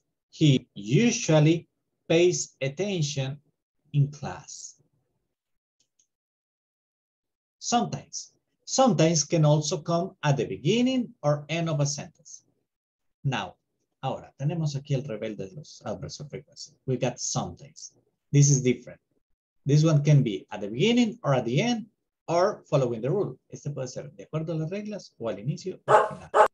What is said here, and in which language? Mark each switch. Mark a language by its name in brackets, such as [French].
[English] He usually pays attention in class. Sometimes. Sometimes can also come at the beginning or end of a sentence. [Spanish] Now, ahora, tenemos aquí el rebel de los [English] adverbs of frequency. We got sometimes. This is different. This one can be at the beginning or at the end or following the rule. [Spanish] Este puede ser de acuerdo a las reglas o al inicio o al final.